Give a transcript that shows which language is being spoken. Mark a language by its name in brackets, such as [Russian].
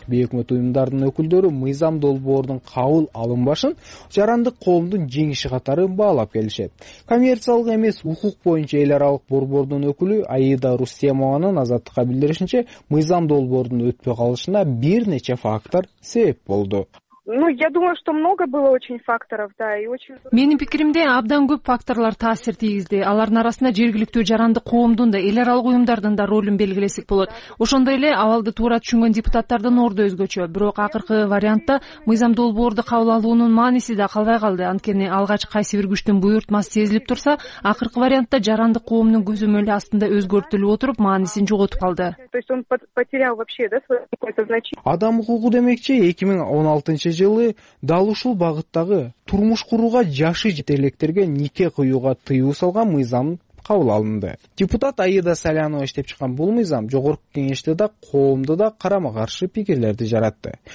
[Kyrgyz] Бейөкмөт уюмдардын өкүлдөрү мыйзам долбоордун кабыл алынбашын жарандык коомдун жеңиши катары баалап келишет. Коммерциялык эмес укук боюнча эл аралык борбордун өкүлү Аида Рустемованын Азаттыкка билдиришинче, мыйзам долбоордун өтпөй калышына бир нече фактор себеп болду. [Russian] Ну, я думаю, что много было очень факторов, да, и очень... [Kyrgyz] Менин пикиримде абдан көп факторлор таасир тийгизди. Алардын арасында жергиликтүү жарандык коомдун да, эл аралык уюмдардын да ролун белгилесек болот. Ошондой эле абалды туура түшүнгөн депутаттардын орду өзгөчө. Бирок акыркы вариантта мыйзам долбоорду кабыл алуунун мааниси да калбай калды. Анткени алгач кайсы бир күчтүн буйрутмасы сезилип турса, акыркы вариантта жарандык коомдун көзөмөлү астында өзгөртүлүп отуруп, маанисин жоготуп калды. [Russian] То есть он потерял вообще, да, свой какой-то значение. [Kyrgyz] Адам укугу демекчи, 2016 жылы дал ушул багыттагы турмуш курууга жашы жетелектерге нике кыюуга тыюу салган мыйзам кабыл алынды. Депутат Аида Салянова иштеп чыккан бул мыйзам жогорку кеңеште да коомдо да карама каршы пикирлерди жаратты.